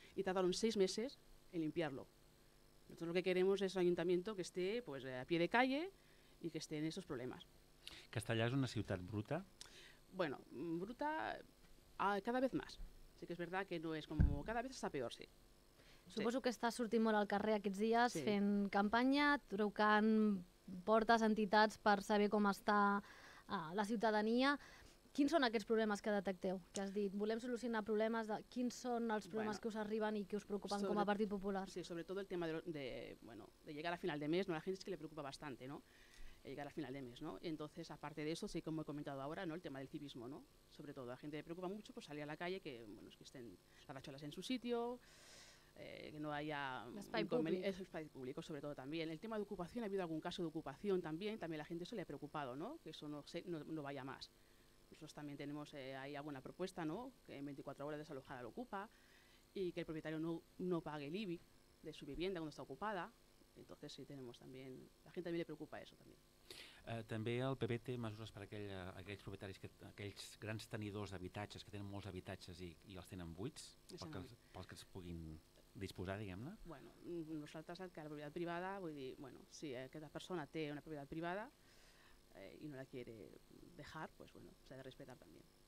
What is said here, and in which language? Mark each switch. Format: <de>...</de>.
<es>Y tardaron 6 meses en limpiarlo. Nosotros lo que queremos es un ayuntamiento que esté pues a pie de calle y que esté en esos problemas. ¿Castellà es una ciudad bruta? Bueno, bruta cada vez más. Sí que es verdad que no es como... Cada vez está peor, sí.</es> <ca>Suposo que estàs sortint molt al carrer aquests dies, sí, fent campanya, trucant portes, entitats, per saber com està la ciutadania. Quins són aquests problemes que detecteu? Que has dit, volem solucionar problemes, quins són els problemes, bueno, que us arriben i que us preocupen com a Partit Popular? Sí, sobretot el tema de</ca> <es>llegar a final de mes,</es> <ca>¿no? La gent és que li preocupa bastant, ¿no?, llegar a final de mes, ¿no?</ca> <es>Entonces, aparte de eso, sí, como he comentado ahora, ¿no?, el tema del civismo, ¿no? Sobre todo, a la gente le preocupa mucho pues salir a la calle, que, bueno, es que estén las racholas en su sitio, que no haya...</es> <ca>Espai públic.</ca> <es>Es espai públic, sobre todo, también. El tema de ocupación, ha habido algún caso de ocupación también, también la gente se le ha preocupado, ¿no?, que eso no vaya más. Nosotros también tenemos ahí alguna propuesta, ¿no?, que en 24 horas desalojar al ocupa y que el propietario no pague el IBI de su vivienda cuando está ocupada. Entonces, sí, tenemos también... La gente también le preocupa eso, también.</es> <ca>També el PP té mesures per aquells propietaris, aquells grans tenidors d'habitatges que tenen molts habitatges i els tenen buits, pels que es puguin disposar, diguem-ne? Bueno, nosaltres, que la propietat privada, vull dir, bueno, si aquesta persona té una propietat privada i</ca> <es>no la quiere dejar, pues bueno,</es> <ca>s'ha de respetar també.</ca>